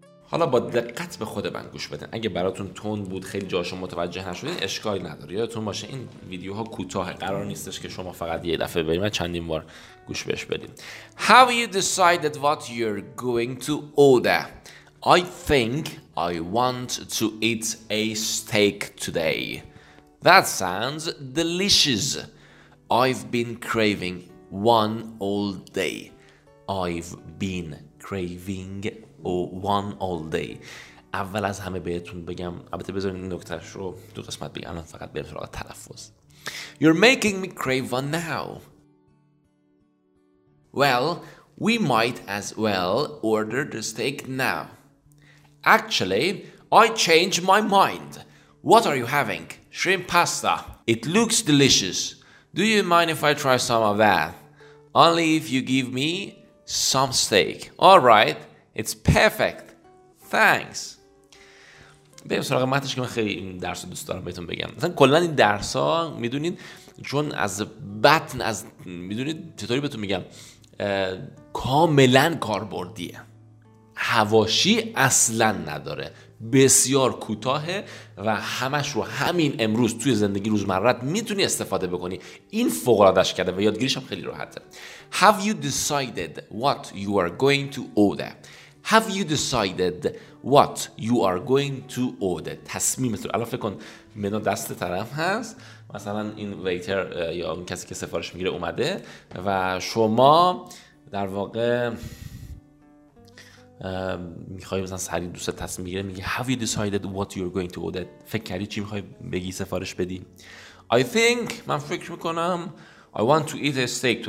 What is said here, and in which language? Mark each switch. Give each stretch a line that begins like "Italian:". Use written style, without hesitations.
Persian: حالا با دقت به خود من گوش بدین. اگه براتون تون بود، خیلی جاشو متوجه نشدین، اشکالی نداره. یادتون باشه این ویدیوها کوتاه، قرار نیستش که شما فقط یه دفعه ببینید، من چندین بار گوش بهش بدین.
English: How you decided what you're going to order? I think I want to eat a steak today. That sounds delicious. I've been craving one all day. I've been craving one all day.
Persian: اول از همه بهتون بگم، البته بذارین نکتهش رو دو قسمت بگم، الان فقط بریم سراغ تلفظ.
English: You're making me crave one now. Well, we might as well order the steak now. Actually, I changed my mind. What are you having? Shrimp pasta. It looks delicious. Do you mind if I try some of that? Only if you give me some steak. All right. It's perfect. Thanks.
Persian: بریم سراغ متنش که من خیلی این درس رو دوست دارم بهتون بگم. مثلا کلن این درس ها میدونین، چون از بطن، از میدونین چطوری بهتون میگم، کاملا کاربردیه. حواشی اصلا نداره. بسیار کوتاهه و همش رو همین امروز توی زندگی روزمره میتونی استفاده بکنی. این فوق‌العاده‌اش کرده و یادگیریش هم خیلی راحته.
English: Have you decided what you are going to order? Have you decided what you are going to order?
Persian: تصمیمت رو الان فکر کن. منو دست طرف هست، مثلا این ویتر یا اون کسی که سفارش میگیره اومده و شما در واقع میخوای مثلا سری دوست تصمیم میگیره، میگه
English: Have you decided what you are going to order?
Persian: فکر کردی چی میخوای بگی سفارش بدی؟
English: I think
Persian: من فکر میکنم
English: I want to eat a steak today.